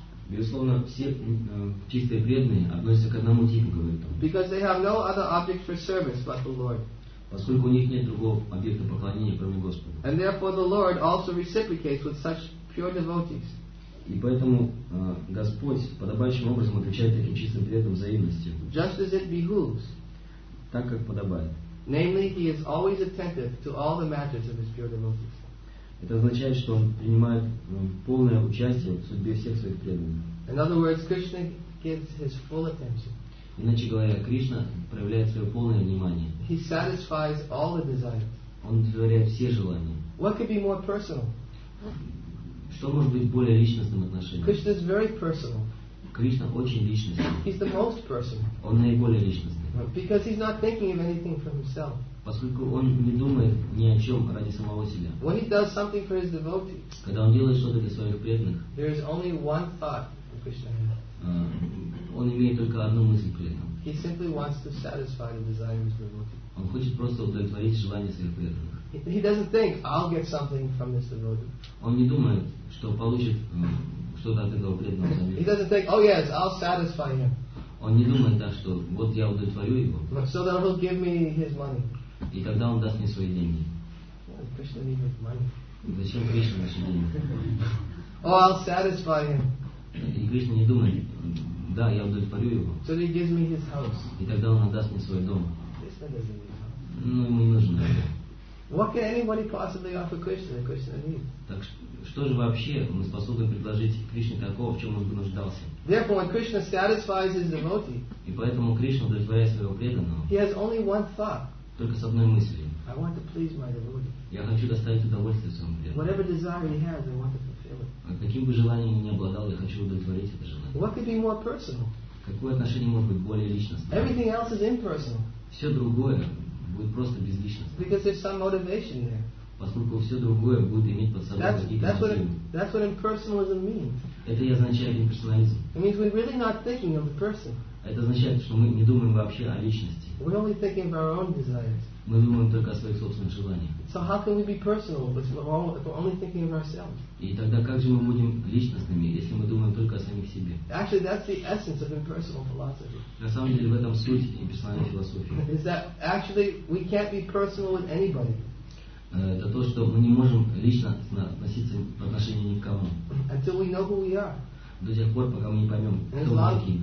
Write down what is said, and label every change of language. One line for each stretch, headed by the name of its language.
Russian: Безусловно, все чистые преданные относятся к одному типу, говорит он.
English: Because they have no other object for service but the Lord.
Russian: Поскольку у них нет другого объекта поклонения, кроме Господа.
English: And therefore the Lord also reciprocates with such pure devotees.
Russian: И поэтому Господь подобающим образом отвечает таким чистым преданным взаимностью.
English: Just as it behooves.
Russian: Так как подобает.
English: Namely, he is always attentive to all the matters of his pure devotees.
Russian: Это означает, что он принимает полное участие в судьбе всех своих преданных.
English: In other words, Krishna gives his full attention.
Russian: Иначе говоря, Кришна проявляет свое полное внимание.
English: He satisfies all the desires.
Russian: Он удовлетворяет все желания.
English: What could be more personal?
Russian: Что может быть более личностным отношением?
English: Krishna is very personal.
Russian: Кришна очень личностный.
English: He's the most personal.
Russian: Он наиболее личностный.
English: Because he's not thinking of anything for himself.
Russian: Поскольку он не думает ни о чем ради самого себя.
English: When he does something for his devotees.
Russian: Когда он делает что-то для своих преданных.
English: There is only one thought that Krishna has.
Russian: Он имеет только одну мысль при этом.
English: He simply wants to satisfy the desire of his devotee.
Russian: Он хочет просто удовлетворить желание своих преданных.
English: He doesn't think, I'll get something from this devotee.
Russian: Он не думает, что получит что-то от этого преданного.
English: He doesn't think, oh yes, I'll satisfy him.
Russian: Он не думает так, что вот я удовлетворю его.
English: So that he'll give me his money.
Russian: И тогда он даст мне свои деньги.
English: Krishna needs his money.
Russian: Зачем Кришна наши деньги?
English: Oh, I'll satisfy him.
Russian: И Кришна не думает, да, я удовлетворю его.
English: So he gives me his house.
Russian: И тогда он отдаст мне свой дом.
English: Krishna doesn't need house.
Russian: Ну, ему не нужно.
English: What can anybody possibly offer Krishna that Krishna needs?
Russian: Так что же вообще мы способны предложить Кришне такого, в чем он бы нуждался?
English: Therefore, when Krishna satisfies his devotee,
Russian: и поэтому Кришна удовлетворяет своего преданного.
English: He has only one thought.
Russian: Только с одной мыслью.
English: I want to please my devotee.
Russian: Я хочу доставить удовольствие своему преданному.
English: Whatever desire he has, I want to.
Russian: Каким бы желанием я ни обладал, я хочу удовлетворить это желание.
English: What could be more personal?
Russian: Какое отношение может быть более личностным?
English: Everything else is impersonal.
Russian: Все другое будет просто безличностным.
English: Because there's some motivation there.
Russian: поскольку все другое будет иметь под собой какие-то проблемы.
English: That's what impersonalism means.
Russian: Это и означает имперсонализм.
English: It means we're really not thinking of the person.
Russian: Это означает, что мы не думаем вообще о личности.
English: We're only thinking of our own desires.
Russian: Мы думаем только о своих собственных желаниях.
English: So how can we be personal if we're only thinking of ourselves?
Russian: И тогда как же мы будем личностными, если мы думаем только о самих себе?
English: Actually, that's the essence of impersonal philosophy.
Russian: На самом деле в этом суть имперсональной философии.
English: Is that actually we can't be personal with anybody?
Russian: Это то, что мы не можем лично относиться по отношению ни к кому.
English: Until we know who we are.
Russian: До тех пор, пока мы не поймем, кто мы такие.